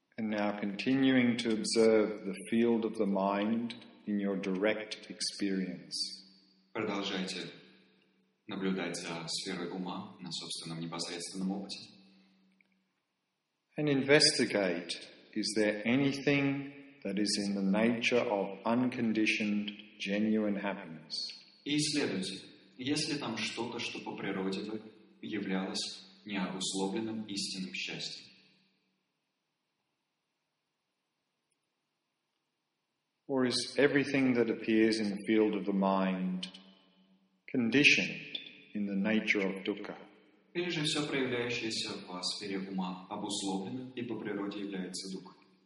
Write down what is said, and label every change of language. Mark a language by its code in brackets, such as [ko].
[en] now continuing to observe the field of the mind in your direct experience. [ru] Продолжайте наблюдать за сферой ума на собственном непосредственном опыте. [en] And investigate, is there anything that is in the nature of unconditioned, genuine happiness? [ru] И исследуйте, есть ли там что-то, что по природе бы являлось необусловленным истинным счастьем. [en] Or is everything that appears in the field of the mind conditioned in the nature of dukkha? [ru] Или же все проявляющееся в сфере ума обусловлено и по природе является дукхой?